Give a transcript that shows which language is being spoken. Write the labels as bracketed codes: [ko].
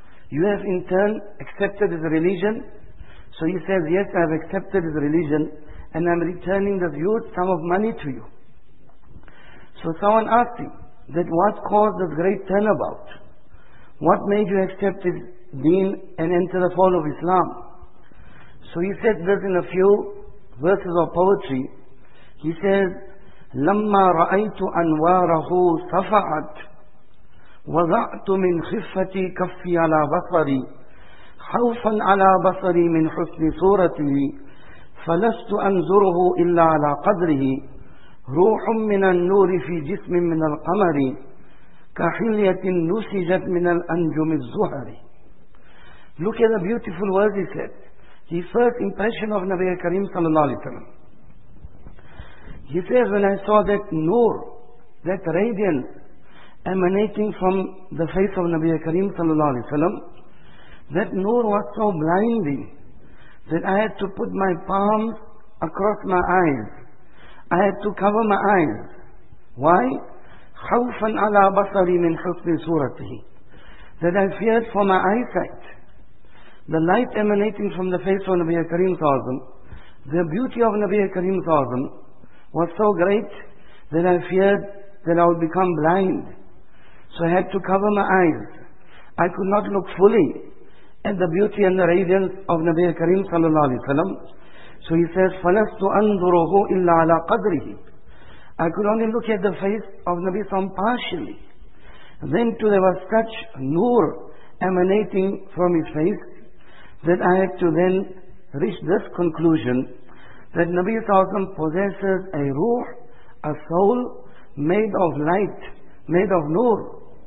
[en] You have in turn accepted his religion. So he says, yes, I have accepted his religion and I am returning this huge sum of money to you. So someone asked him that what caused this great turnabout? What made you accept his deen and enter the fold of Islam? So he said this in a few verses of poetry. He says, [ar] لَمَّا رَأَيْتُ أَنْوَارَهُ صَفَعَتْ وَضَعْتُ مِنْ خِفَّتِي كَفِّي عَلَى بَصَرِي خوفا على بصري من حسن صورته فلست أنظره إلا على قدره روح من النور في جسم من القمر كحلية نسجت من الأنجم الزهر. [en] Look at the beautiful words he said. His first impression of Nabi Karim sallallahu alayhi wa sallam. He says, when I saw that nur, that radiance emanating from the face of Nabi Karim sallallahu alayhi wa sallam, that nur was so blinding that I had to put my palms across my eyes. I had to cover my eyes. Why? [ar] خَوْفًا عَلَىٰ بَصَرِي مِنْ حُسْنِ سُورَتِهِ. [en] That I feared for my eyesight. The light emanating from the face of Nabi Karim Sa'azim, the beauty of Nabi Karim Sa'azim was so great that I feared that I would become blind. So I had to cover my eyes. I could not look fully and the beauty and the radiance of Nabi Karim sallallahu alayhi wa sallam. So he says, [ar] فَلَسْتُ أَنْظُرُهُ إِلَّا عَلَىٰ قَدْرِهِ. [en] I could only look at the face of Nabi Sallam partially. Then too there was such nur emanating from his face that I had to then reach this conclusion that Nabi Sallam possesses a ruh, a soul made of light, made of nur.